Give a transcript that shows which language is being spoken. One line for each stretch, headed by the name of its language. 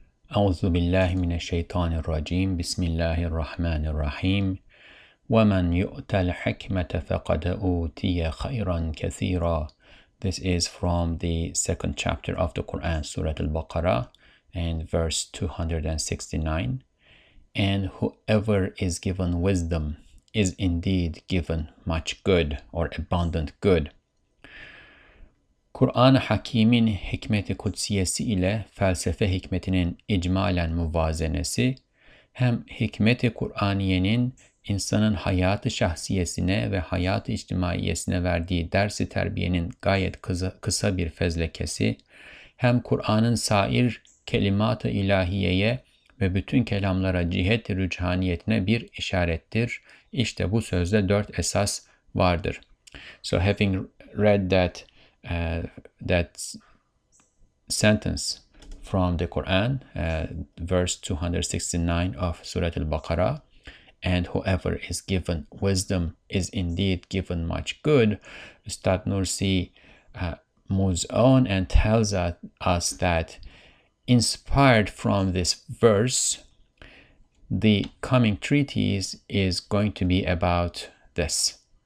Arabic: أَعُوذُ بِاللَّهِ مِنَ الشَّيْطَانِ الرَّجِيمِ بِسْمِ اللَّهِ الرَّحْمَنِ الرَّحِيمِ وَمَنْ يُؤْتَ الْحِكْمَةَ فَقَدْ أُوتِيَ خَيْرًا كَثِيرًا.
English: This is from the second chapter of the Quran, Surah Al-Baqarah, and verse 269. And whoever is given wisdom is indeed given much good or abundant good.
Turkish: Kur'an Hakimin hikmeti kutsiyesi ile felsefe hikmetinin icmalen muvazenesi, hem hikmeti Kur'aniyenin insanın hayatı şahsiyesine ve hayatı içtimaiyesine verdiği dersi terbiyenin gayet kısa bir fezlekesi, hem Kur'an'ın sair kelimat-ı ilahiyeye ve bütün kelamlara cihet-i rüçhaniyetine bir işarettir. İşte bu sözde dört esas vardır.
English: So having read that that sentence from the Quran, verse 269 of Surah Al-Baqarah, and whoever is given wisdom is indeed given much good, Ustad Nursi moves on and tells us that inspired from this verse, the coming treatise is going to be about this.